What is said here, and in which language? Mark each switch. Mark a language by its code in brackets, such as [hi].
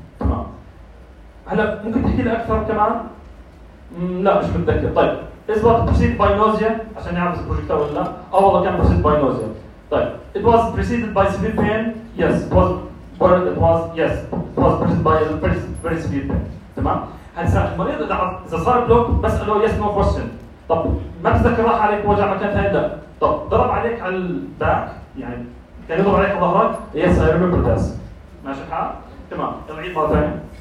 [ar] تمام هلا ممكن تحكي لي اكثر كمان؟ لا مش متذكر. طيب [en] is what preceded by nausea [ar] عشان نعرف اذا البروجكت ولا لا. اه والله كان [en] preceded by nausea. [ar] طيب [en] it was preceded by severe pain. yes was burned. it was yes it was preceded by very severe pain. [ar] تمام هسه المريض اذا صار بلوك بساله [en] Yes no question. [ar] طب ما تذكر راح عليك وجع مكان ثاني؟ لا. طب ضرب عليك على الباك يعني كان يضرب عليك ظهرك؟ [en] Yes I remember this. [ar] ماشي الحال؟ تمام طيب عيد مره ثانيه.